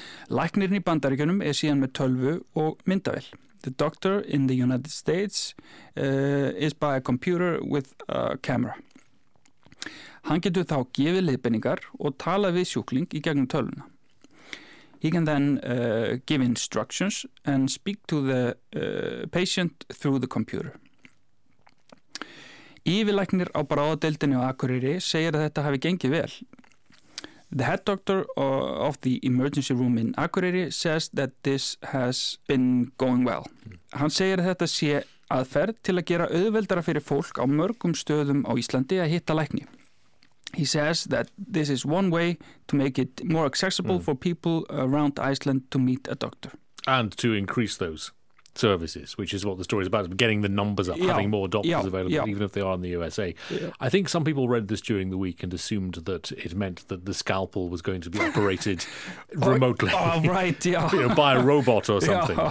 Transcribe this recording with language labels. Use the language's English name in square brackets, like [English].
[Icelandic] Læknirinn í Bandaríkjunum síðan með tölvu og myndavél. [English] The doctor in the United States is by a computer with a camera. [Icelandic] Hann getur þá gefið leiðbeiningar og tala við sjúkling í gegnum tölvuna. [English] He can then give instructions and speak to the patient through the computer. [Icelandic] Yfirlæknir á bráðadeildinni á Akureyri segir að þetta hafi gengið vel. [English] The head doctor of the emergency room in Akureyri says that this has been going well. [Icelandic] Hann segir að þetta sé aðferð til að gera auðveldara fyrir fólk á mörgum stöðum á Íslandi að hitta lækni. [English] He says that this is one way to make it more accessible for people around Iceland to meet a doctor. And to increase those services, which is what the story is about, getting the numbers up, having more doctors available, even if they are in the USA. I think some people read this during the week and assumed that it meant that the scalpel was going to be operated remotely you know, by a robot or something.